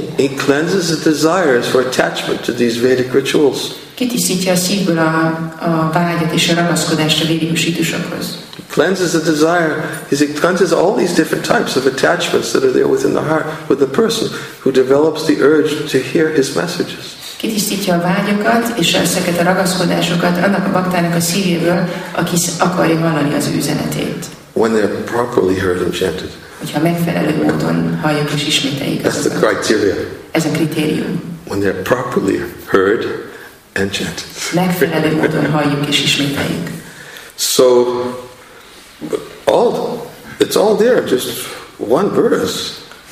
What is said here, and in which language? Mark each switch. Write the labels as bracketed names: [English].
[English] It cleanses the desires for attachment to these Vedic rituals. [Hungarian] Kitisztítja a szívből a vágyat és a ragaszkodást a védikus ritusokhoz. [English] Cleanses the desire. It cleanses all these different types of attachments that are there within the heart with the person who develops the urge to hear his messages. [Hungarian] Kitisztítja a vágyokat és ezeket a ragaszkodásokat annak a baktának a szívéből, aki akarja hallani az üzenetét. [English] When they're properly heard and chanted. [Hungarian] Hogyha megfelelő módon halljuk és ismételjük. [English] That's the criteria. [Hungarian] Ez a kritérium. [English] When they're properly heard and chanted. [Hungarian] Megfelelő módon halljuk és ismételjük. [English] So all, it's all there, just one verse.